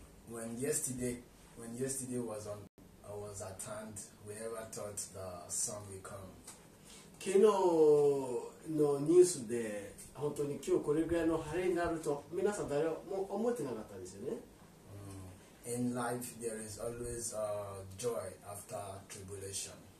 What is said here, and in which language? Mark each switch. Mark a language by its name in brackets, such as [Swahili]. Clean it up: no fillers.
[English] When yesterday was on, I was at hand. We never thought the sun would come. [Japanese] 昨日のニュースで本当に今日これぐらいの晴れになると皆さん誰も思ってなかったですよね。 [English] In life, there is always a joy after tribulation.